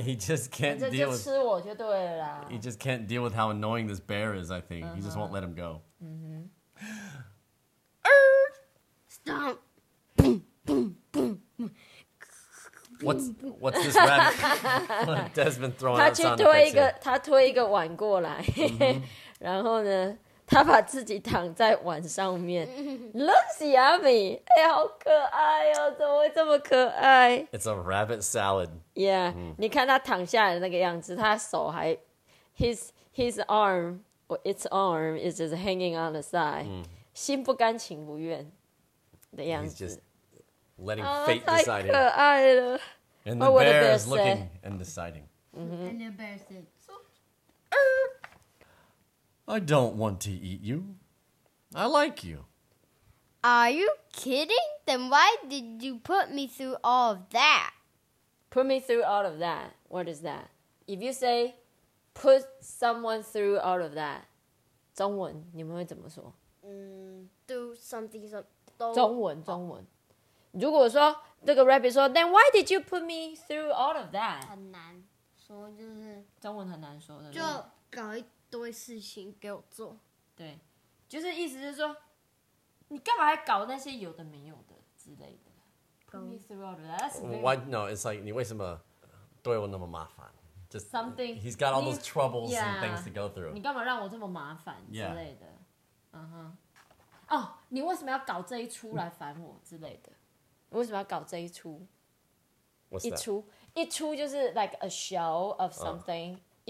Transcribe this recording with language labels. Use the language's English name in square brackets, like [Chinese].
[English] He just can't deal with how annoying this bear is, I think. Uh-huh. He just won't let him go. Mm-hmm. Stomp. What's this rabbit? Desmond throwing out sound effects. [Chinese] 他推一个碗过来, 然后呢, 他把自己躺在碗上面. [English] Looks yummy. [Chinese] 欸,好可爱哦,怎么会这么可爱? [English] It's a rabbit salad. Yeah, [Chinese] 你看他躺下来的那个样子, 他手还, [English] his arm, or its arm is just hanging on the side. [Chinese] 心不甘情不愿的样子。 [English] He's just letting fate decide. [Chinese] 太可爱了。 [English] And the bear is looking and deciding. And the bear said, I don't want to eat you. I like you. Are you kidding? Then why did you put me through all of that? Put me through all of that? What is that? If you say, put someone through all of that, [Chinese] 中文你们会怎么说? [English] Do something. [Chinese] 中文。如果说这个rabbit说, [English] then why did you put me through all of that? [Chinese] 很难说，就是中文很难说的，就搞一堆事情给我做。对，就是意思就是说。你干嘛还搞那些有的没有的之类的？ [English] Why? No, it's like, [Chinese] 你为什么对我那么麻烦? [English] Just something. He's got all those troubles and things to go through. [Chinese] 你干嘛让我这么麻烦之类的？嗯哼。哦， 你为什么要搞这一出来烦我之类的？你为什么要搞这一出？ [English] What's that? [Chinese] 一出就是 [English] like a show of something.